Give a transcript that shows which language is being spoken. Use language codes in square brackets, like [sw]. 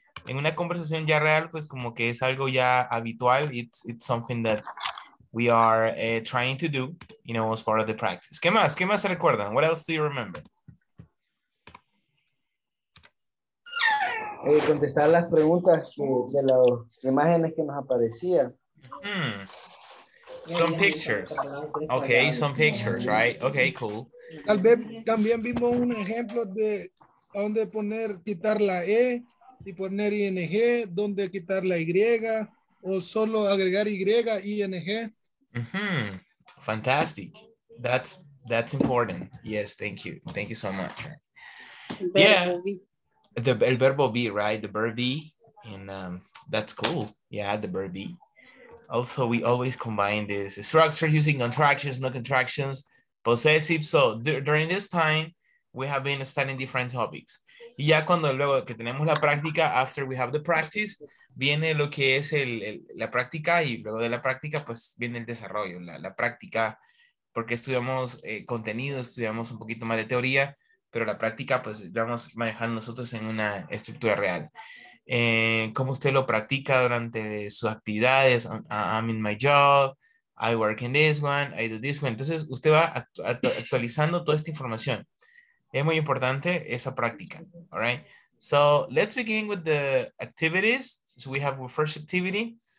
[es] En una conversación ya real, pues como que es algo ya habitual. [en] It's something that we are trying to do, you know, as part of the practice. [es] ¿Qué más? ¿Qué más se recuerdan? [en] What else do you remember? [es] Contestar las preguntas de las imágenes que nos aparecían. [en] Hmm. Some pictures. Okay, some pictures, right? Okay, cool. [es] Tal vez también vimos un ejemplo de dónde poner, quitar la E y poner ING, dónde quitar la Y, o solo agregar Y, ING. [en] Mm-hmm. Fantastic. That's important. Yes, thank you. Thank you so much. Yeah. [es] El verbo be, [en] right? The verb be. And that's cool. Yeah, the verb be. Also, we always combine this structure using contractions, no contractions, possessive. So during this time, we have been studying different topics. [es] Y ya cuando luego que tenemos la práctica, [en] after we have the practice, [es] viene lo que es la práctica y luego de la práctica, pues viene el desarrollo, la práctica, porque estudiamos contenido, estudiamos un poquito más de teoría, pero la práctica, pues vamos a manejar nosotros en una estructura real. ¿Cómo usted lo practica durante sus actividades? [en] I'm in my job, I work in this one, I do this one. [es] Entonces usted va actualizando toda esta información. Es muy importante esa práctica. All right. [en] So let's begin with the activities. So we have our first activity.